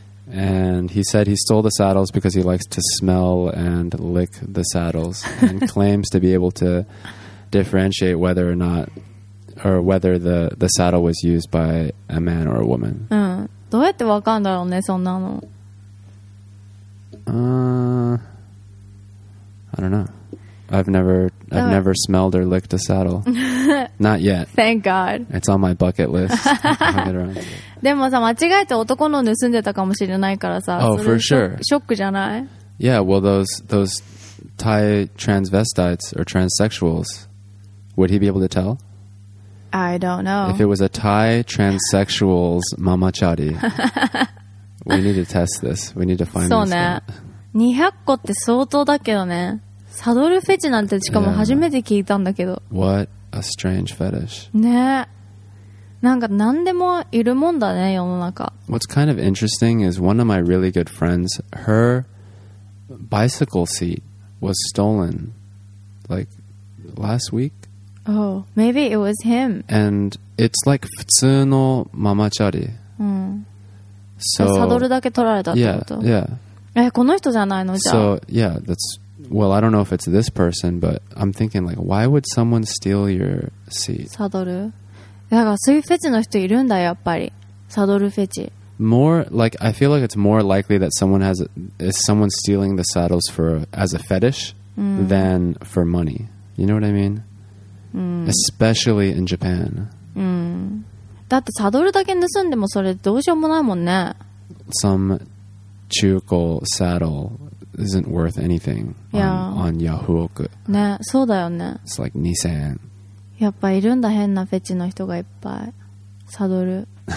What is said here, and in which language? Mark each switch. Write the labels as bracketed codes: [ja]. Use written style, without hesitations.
[en] And he said he stole the saddles because he likes to smell and lick the saddles and claims to be able to differentiate whether or not, or whether the saddle was used by a man or a woman. [ja] どうやってわかんだろうね、そんなの。 [en] I don't know. I've never smelled or licked a saddle. Not yet. Thank God. It's on my bucket list. I'll get around to it. [ja] でもさ、間違えて男の盗んでたかもしれないからさ。 [en] Oh, for sure. [ja] ショックじゃない? [en] Yeah, well, those Thai transvestites or transsexuals, would he be able to tell? I don't know. If it was a Thai transsexual's mama chari, we need to test this. We need to find [ja] そうね。 [en] this out. [ja] 200個って相当だけどね。サドルフェチなんてしかも初めて聞いたんだけど、 [en] yeah. What a strange fetish. [ja] ね、なんか何でもいるもんだね、世の中。 [en] What's kind of interesting is one of my really good friends, her bicycle seat was stolen like last week. Oh, maybe it was him. And it's like [ja] 普通のママチャリ。 So, サドルだけ取られたってこと。 [en] Yeah. [ja] この人じゃないのじゃ。 [en] So yeah, that'sWell, I don't know if it's this person, but I'm thinking, like, why would someone steal your seat? [ja] サドル。だからそういうフェチの人いるんだやっぱり。サドルフェチ。 [en] More like I feel like it's more likely that someone stealing the saddles as a fetish、than for money. You know what I mean?、Especially in Japan.、 [ja] だってサドルだけ盗んでもそれどうしようもないもんね。 [en] Some 中古 saddle. Isn't worth anything on Yahooku. [ja] ね、そうだよね。 [en] It's like 2,000. [ja] やっぱいるんだ変なフェチの人がいっぱい。サドル。